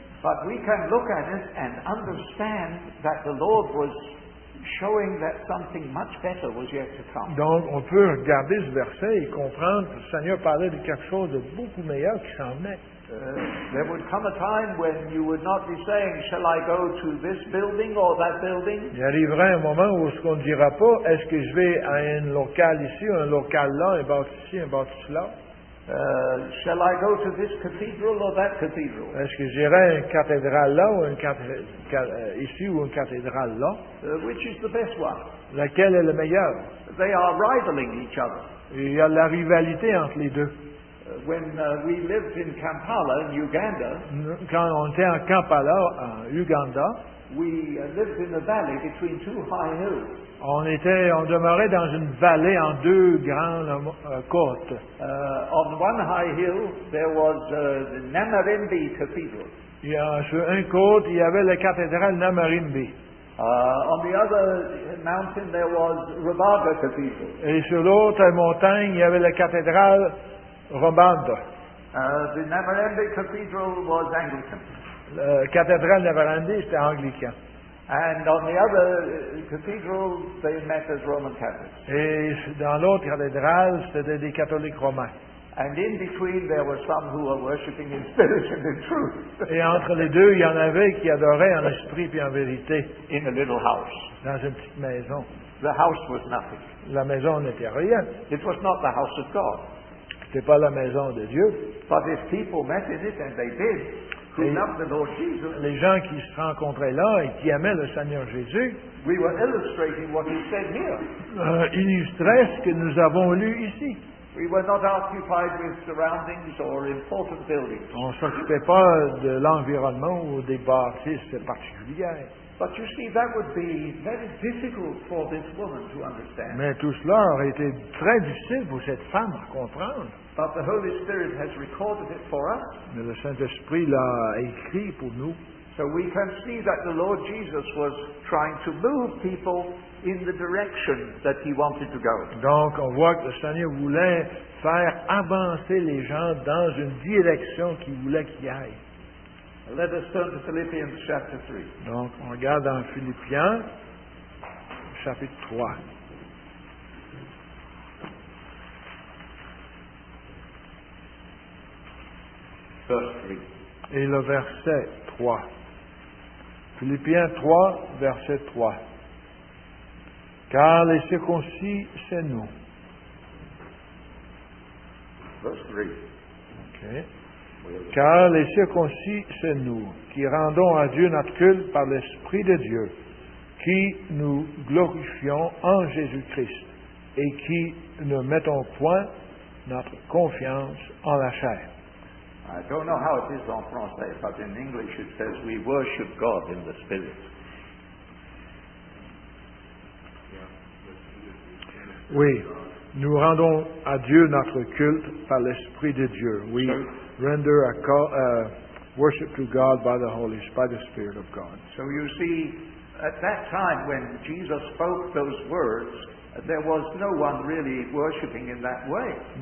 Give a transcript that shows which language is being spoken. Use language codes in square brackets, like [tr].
[en] But we can look at it and understand that the Lord was showing that something much better was yet to come. [fr] Donc, on peut regarder ce verset et comprendre que le Seigneur parlait de quelque chose de beaucoup meilleur qui s'en venait. [en] There would come a time when you would not be saying, shall I go to this building or that building? [fr] Il arriverait un moment où ce qu'on ne dira pas, est-ce que je vais à un local ici, un local là, un bâtiment ici, un bâtiment là? [en] Shall I go to this cathedral or that cathedral? [fr] Est-ce que j'irai à une cathédrale là ou une ici ou une cathédrale là? [en] Which is the best one? [fr] Laquelle est le meilleur? [en] They are rivaling each other. [fr] Il y a la rivalité entre les deux. [en] When we lived in Kampala, in Uganda, [fr] quand on était en Kampala, en Uganda, [en] we lived in a valley between two high hills. [fr] On demeurait dans une vallée en deux grandes côtes. [en] On one high hill, there was the Namarimbi Cathedral. [fr] Et sur une côte, il y avait la cathédrale Namarimbi. [en] On the other mountain, there was Rubaga Cathedral. [fr] Et sur l'autre montagne, il y avait la cathédrale Rubaga. [en] The Namarimbi Cathedral was Anglican. [fr] La cathédrale Namarimbi, c'était anglican. [en] And on the other cathedral, they met as Roman Catholics. [fr] Et dans l'autre cathédrale, c'était des catholiques romains. [en] And in between, there were some who were worshiping in spirit and in truth. [fr] Et entre les deux, il y en avait qui adoraient en esprit puis en vérité. [en] In a little house. [fr] Dans une petite maison. [en] The house was nothing. [fr] La maison n'était rien. [en] It was not the house of God. [fr] C'était pas la maison de Dieu. [en] But if people met in it, and they did. [fr] Et les gens qui se rencontraient là et qui aimaient le Seigneur Jésus illustraient ce que nous avons lu ici. On ne s'occupait pas de l'environnement ou des bâtisses particulières. [en] But you see, that would be very difficult for this woman to understand. [fr] Mais tout cela aurait été très difficile pour cette femme à comprendre. [en] But the Holy Spirit has recorded it for us. [fr] Mais le Saint-Esprit l'a écrit pour nous. [en] So we can see that the Lord Jesus was trying to move people in the direction that he wanted to go. [fr] Donc on voit que le Seigneur voulait faire avancer les gens dans une direction qu'il voulait qu'ils aillent. [en] Let us turn to Philippians chapter 3. [fr] Donc, on regarde en Philippiens, chapitre 3. [en] Verse 3. [fr] Et le verset 3. Philippiens 3, verset 3. Car les circoncis, c'est nous. [en] Verse 3. OK. [fr] Car les circoncis, c'est nous qui rendons à Dieu notre culte par l'Esprit de Dieu, qui nous glorifions en Jésus-Christ et qui ne mettons point notre confiance en la chair. [en] I don't know how it is [fr] en français, [en] but in English it says we worship God in the Spirit. [fr] Oui, nous rendons à Dieu notre culte par l'Esprit de Dieu. Oui. [en] So, render a call, worship to God by the Holy Spirit, by the Spirit of God. So you see, at that time when Jesus spoke those words, there was no one really worshiping in that way.